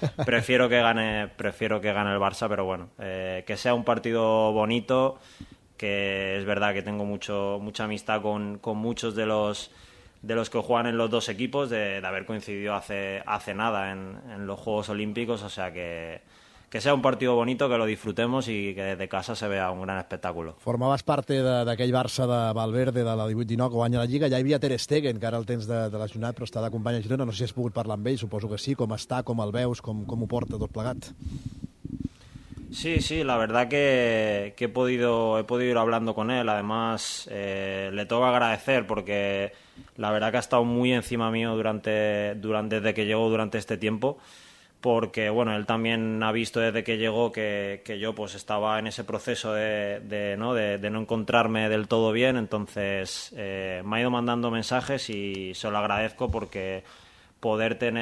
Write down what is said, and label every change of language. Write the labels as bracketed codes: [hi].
[es] prefiero que gane el Barça, pero bueno, que sea un partido bonito, que es verdad que tengo mucha amistad con muchos de los que juegan en los dos equipos, de haber coincidido hace nada en los Juegos Olímpicos, o sea que sea un partido bonito, que lo disfrutemos y que de casa se vea un gran espectáculo. [ca] Formabas parte d'aquell Barça de Valverde de la 18-19 que guanya la Lliga. Ja hi havia Ter Stegen, que ara el tens de lesionat, però està d'acompanya a Girona. No sé si has pogut parlar amb ell, suposo que sí. Com està, com el veus, com ho porta tot plegat? [es] Sí, la verdad que he podido ir hablando con él. Además, le tengo que agradecer porque la verdad que ha estado muy encima mío desde que llegó este tiempo. Porque bueno, él también ha visto desde que llegó que yo pues estaba en ese proceso de no encontrarme del todo bien, entonces me ha ido mandando mensajes y se lo agradezco porque poder